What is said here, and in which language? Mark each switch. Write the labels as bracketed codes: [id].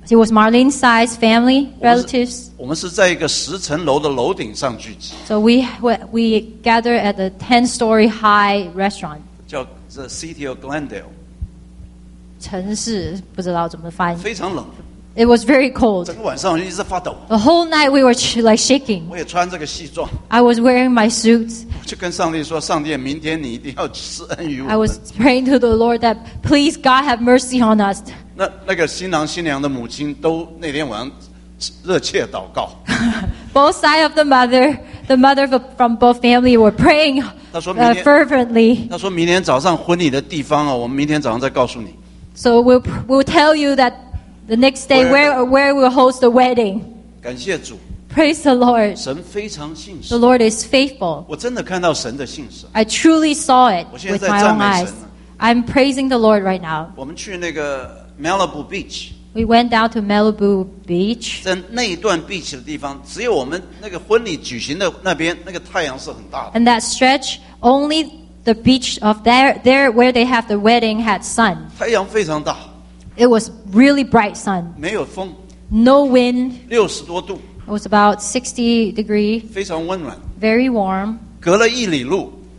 [en] He was Marlene's size, family, relatives. [zh] 我们是在一个10层楼的楼顶上聚集。 [en] So we gathered at a 10-story high restaurant. [zh] 叫 The City of Glendale. 城市不知道怎么翻译。非常冷。 [en] It was very cold. [zh] 整个晚上一直发抖。 [en] The whole night we were like shaking. [zh] 我也穿这个西装。 [en] I was wearing my suit. [zh] 就跟上帝说, 上帝明天你一定要施恩于我们。 [en] I was praying to the Lord that please God have mercy on us. [zh] 那个新郎新娘的母亲都那天晚上热切祷告。 [en] Both sides of the mother from both family were praying fervently. [zh] 他说明天早上婚礼的地方啊, 我们明天早上再告诉你。 [en] So we'll tell you that the next day where we'll host the wedding. [zh] 感谢主。 [en] Praise the Lord. [zh] 神非常信实。 [en] The Lord is faithful. [zh] 我真的看到神的信实。 [en] I truly saw it with my own eyes. I'm praising the Lord right now. [zh] 我们去那个 Malibu Beach. [en] We went down to Malibu Beach. [zh] 在那一段 beach 的地方, 只有我们那个婚礼举行的那边, 那个太阳是很大的。 [en] And that stretch, only the beach of there where they have the wedding had sun. [zh] 太阳非常大。 [en] It was really bright sun. [zh] 没有风。 [en] No wind. [zh] 60多度。 [en] It was about 60 degrees. [zh] 非常温暖。 [en] Very warm. [zh] 隔了一里路。